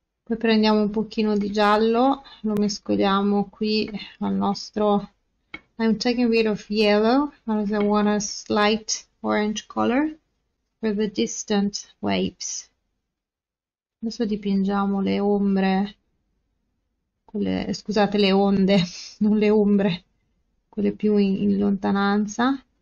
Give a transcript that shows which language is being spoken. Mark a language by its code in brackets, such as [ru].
[it] Prendiamo un pochino di giallo, lo mescoliamo qui al nostro. [en] I'm taking a bit of yellow as I want a slight orange color for the distant waves. [it] Adesso dipingiamo le ombre, quelle, scusate, le onde, non le ombre. Quelle più in lontananza.